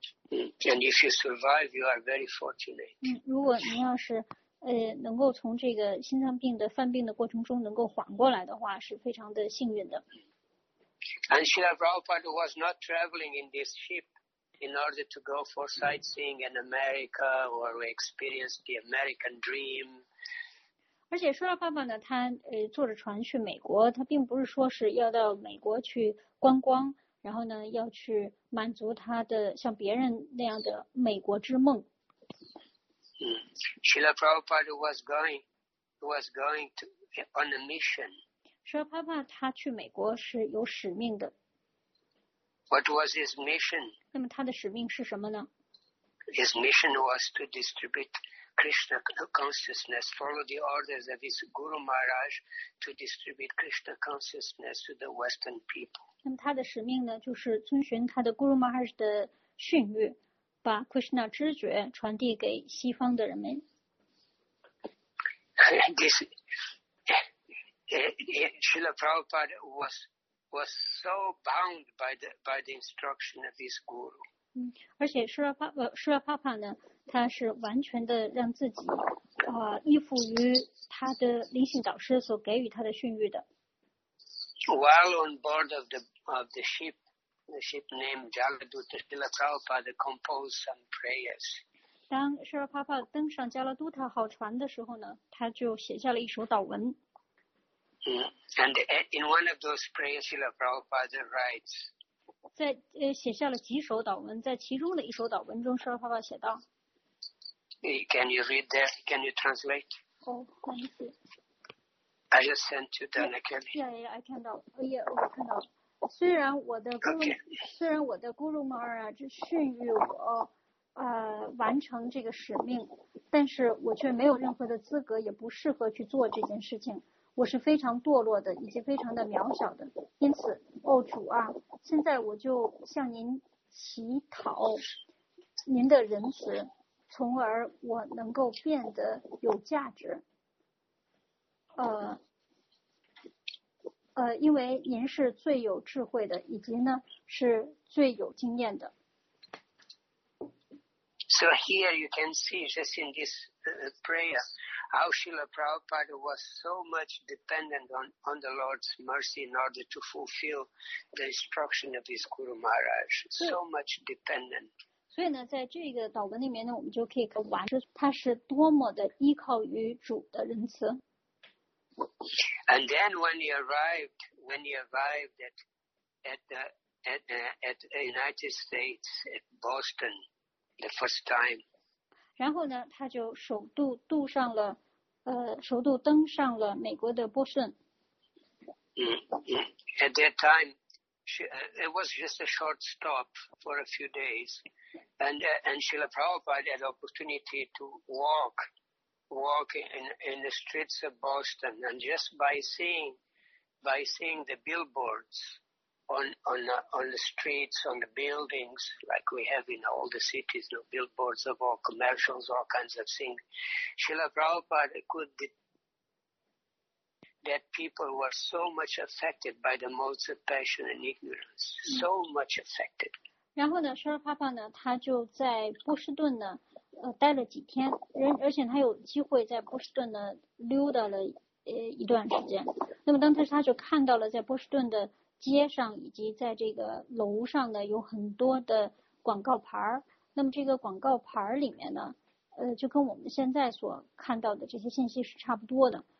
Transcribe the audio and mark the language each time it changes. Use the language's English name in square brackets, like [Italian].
[English] And if you survive, you are very fortunate. [Chinese] 如果您要是能够从这个心脏病的犯病的过程中能够缓过来的话，是非常的幸运的。 [English] And Srila Prabhupada was not traveling in this ship in order to go for sightseeing in America or experience the American dream. [Chinese] 而且舒尔爸爸呢，他坐着船去美国，他并不是说是要到美国去观光，然后呢要去满足他的像别人那样的美国之梦。 [English] Srila Prabhupada was going to on a mission. [Chinese] 舒尔爸爸他去美国是有使命的。 [English] What was his mission? [Chinese] 那么他的使命是什么呢 [English] ？His mission was to distribute. Krishna consciousness, follow the orders of his Guru Maharaj to distribute Krishna consciousness to the Western people. [Chinese] 那么他的使命呢，就是遵循他的 Guru Maharaj 的训谕，把 Krishna 知觉传递给西方的人们。 [English] This, Srila Prabhupada was so bound by the instruction of his Guru. [Chinese] 而且舒尔帕帕呢，他是完全的让自己依附于他的灵性导师所给予他的训谕的。 [English] While on board of the ship, the ship named Jaladut, Srila Prabhupada composed some prayers. [Chinese] 当舒尔帕帕登上加拉都塔号船的时候呢，他就写下了一首祷文。 [English] And in one of those prayers, Srila Prabhupada writes. [Chinese] 在写下了几首祷文，在其中的一首祷文中，舒尔爸爸写道 [English] ：“Can you read that? Can you translate?” [Chinese] 哦，没 [English] 事。I just sent you the Nakali. Yeah, I [Chinese] 看到，我看到。虽然我的 Guru，、 [English] okay. [Chinese] 虽然我的 Guru Maharaj 这训谕我完成这个使命，但是我却没有任何的资格，也不适合去做这件事情。我是非常堕落的，以及非常的渺小的。因此，哦主啊，现在我就向您乞讨您的仁慈，从而我能够变得有价值。因为您是最有智慧的，以及呢是最有经验的。 [English] So here you can see just in this prayer, how Srila Prabhupada was so much dependent on the Lord's mercy in order to fulfill the instruction of his Guru Maharaj. So much dependent. [Chinese] 所以呢，在这个祷文里面呢，我们就可以看完，他是多么的依靠于主的仁慈。 [English] And then when he arrived at the United States at Boston the first time. [Chinese] 然后呢，他就首度渡上了，首度登上了美国的波士顿。 [English] At that time, it was just a short stop for a few days. And Srila Prabhupada had the opportunity to walk in the streets of Boston, and just by seeing the billboards on the streets, on the buildings, like we have in all the cities, the billboards of all commercials, all kinds of things, Srila Prabhupada could that people were so much affected by the modes of passion and ignorance, so much affected. [Chinese] 然后呢，舍尔帕帕呢，他就在波士顿呢，待了几天，而且他有机会在波士顿呢溜达了一段时间。那么当时他就看到了在波士顿的街上以及在这个楼上呢有很多的广告牌，那么这个广告牌里面呢，就跟我们现在所看到的这些信息是差不多的。